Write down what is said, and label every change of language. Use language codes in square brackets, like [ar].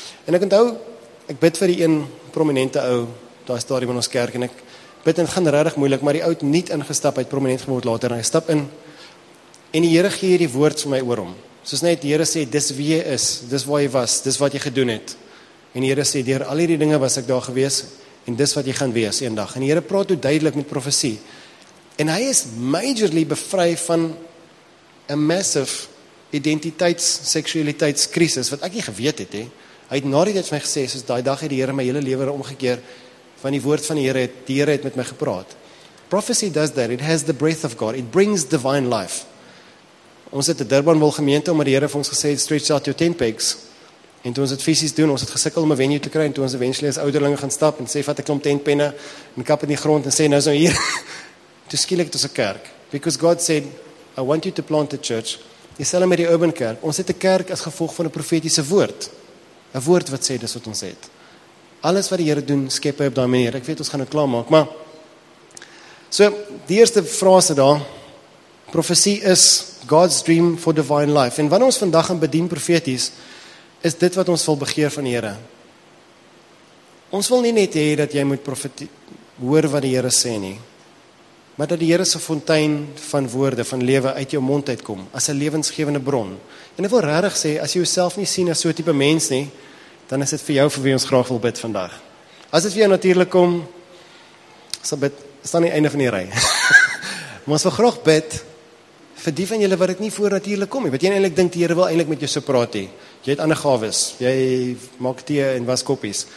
[af] En ek onthou ek bid vir die een prominente ou daai stadium in ons kerk en ek bid en gaan regtig moeilik, maar die oud nie ingestap, hy het prominent geword later, en hy stap in, en die Here gee hierdie woord vir my oor hom, soos net die Here sê, dis wie jy is, dis waar jy was, dis wat jy gedoen het, en die Here sê, deur al hierdie dinge was ek daar gewees, en dis wat jy gaan wees eendag, en die Here praat toe duidelik met profesie, en hy is majorly bevry van a massive identiteits, seksualiteitskrisis, wat ek nie geweet het, he. Hy het na die tijd vir my gesê, soos daai dag het die Here my hele lewe omgekeer, van die woord van die Here het, die Here het met my gepraat. [en] Prophecy does that, it has the breath of God, it brings divine life. [af] Ons het 'n Durbanville gemeente, omdat die Here vir ons gesê het, [en] stretch out your tent pegs, [af] en toe ons het fisies doen, ons het gesikkel om 'n venue te kry, en toe ons eventually as ouderlinge gaan stap, en sê vat 'n klomp tentpenne, en kap in die grond, en sê nou so hier, toe skielik het ons 'n kerk, [en] because God said, I want you to plant a church, [af] jy sê met die urban kerk, ons het 'n kerk as gevolg van 'n profetiese woord, 'n woord wat sê, dis wat ons het. Alles wat die Here doen, skep hy op daai manier. Ek weet ons gaan dit klaarmaak, maar so die eerste frase daar, profesie is [en] God's dream for divine life. [af] En wanneer ons vandag gaan bedien profeties, is dit wat ons wil begeer van die Here. Ons wil nie net hê dat jy moet hoor wat die Here sê nie, maar dat die Here se fontein van woorde, van lewe uit jou mond uitkom as 'n lewensgewende bron. En ek wil regtig sê, as jy jouself nie sien as so 'n tipe mens nie, dan is dit vir jou vir wie ons graag wil bid vandag. As dit vir jou natuurlik kom, sal bid, is dan die einde van die rij. Maar ons wil graag bid vir die van julle wat het nie voor natuurlik kom. Wat jy eintlik dink die Here wil eintlik met jou so praat hê. Jy het ander gawes, jy maak tee en was koppies.